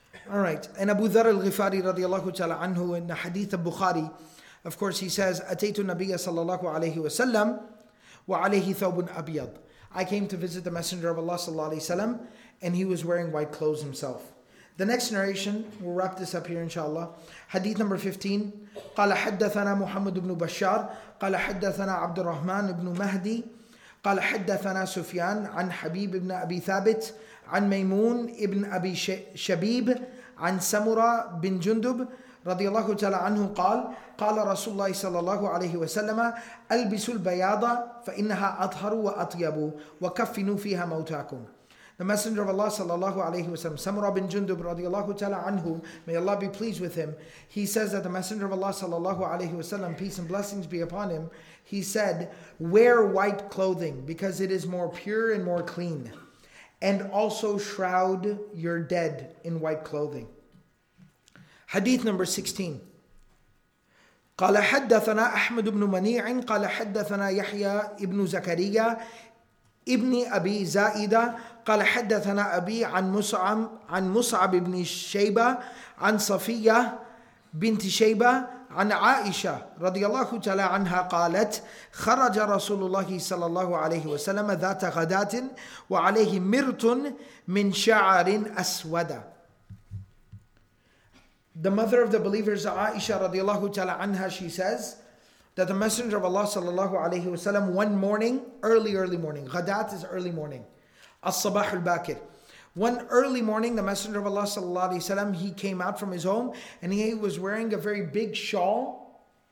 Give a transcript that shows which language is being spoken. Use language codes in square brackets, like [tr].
[en] All right, and Abu Dharr al-Ghifari radiallahu ta'ala anhu in the hadith of Bukhari, of course he says, [ar] أَتَيْتُ النَّبِيَّ صَلَى اللَّهُ عَلَيْهِ وَسَلَّمْ وَعَلَيْهِ ثَوْبٌ أَبْيَضٌ. [en] I came to visit the Messenger of Allah sallallahu alayhi wa sallam, and he was wearing white clothes himself. The next narration, we'll wrap this up here inshallah. Hadith number 15, [ar] قَالَ حَدَّثَنَا مُحَمَّدُ بْنُ بَشَّارِ قَالَ حَدَّثَنَا عَبْدُ الرَّحْمَنِ بْنُ مَهْدِي قَالَ حَدَّثَنَا سُفْيَانَ عَنْ حَبِيبِ بْنَ أَبِي ثَابِتِ عن ميمون ابن أبي شبيب عن سمرة بن جندب رضي الله تعالى عنه قال قال رسول الله صلى الله عليه وسلم ألبسوا البياضة فإنها أطهر وأطيب وكفنوا فيها موتاكم. [en] The Messenger of Allah صلى الله عليه وسلم, سمرة بن جندب [ar] رضي الله تعالى عنه, [en] may Allah be pleased with him, he says that the Messenger of Allah صلى الله عليه وسلم, peace and blessings be upon him, he said, wear white clothing because it is more pure and more clean. And also shroud your dead in white clothing. Hadith number 16. [ar] قال حدثنا أحمد بن منيع قال حدثنا يحيى بن زكريا ابن أبي زائدة قال حدثنا أبي عن مصعب بن شيبة عن صفية بنت شيبة عن عائشة رضي الله تعالى عنها قالت خرج رسول الله صلى الله عليه وسلم ذات غداة وعليه مرت من شعر أسود. [en] The mother of the believers, Aisha رضي الله تعالى عنها, she says that the Messenger of Allah صلى الله عليه وسلم, one morning, early morning, غدات is early morning, [ar] الصباح الباكر, [en] one early morning, the Messenger of Allah sallallahu alaihi wasallam, he came out from his home and he was wearing a very big shawl.